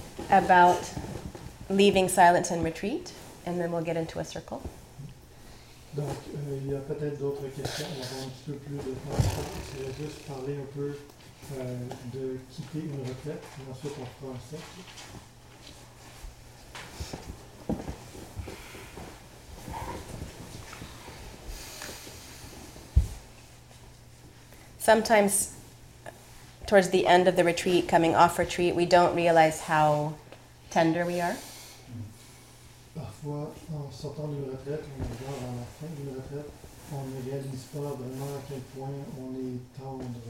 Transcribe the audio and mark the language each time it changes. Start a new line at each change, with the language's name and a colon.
English: About leaving silence and retreat, and then we'll get into a circle.
French: Donc, il y a peut-être d'autres questions. On va un petit peu plus de temps. Je vais juste parler un peu de quitter une retraite, et ensuite on fera un cercle.
English: Sometimes, towards the end of the retreat, coming off retreat, we don't realize how tender we are.
French: Parfois, en sortant d'une retraite, on regarde à la fin d'une retraite, on ne réalise pas vraiment à quel point on est tendre.